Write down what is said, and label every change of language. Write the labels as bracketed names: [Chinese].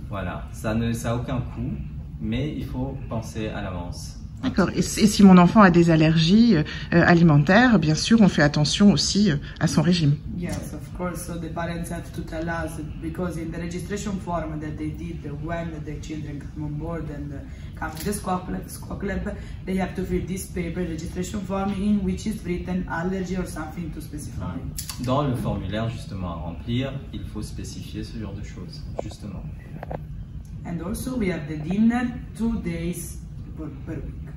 [French] Voilà, ça n'a aucun coût, mais il faut penser à l'avance. D'accord. Et si mon enfant a des allergies alimentaires, bien sûr, on fait attention aussi à son régime. [English] Yes, of course. So the parents have to tell us because in the registration form that they did when the children come on board and come to the squawk lab, they have to fill this paper registration form in which is written allergy or something to specify. [French] Dans le formulaire justement à remplir, il faut spécifier ce genre de choses justement. [English] And also we have the dinner 2 days per week.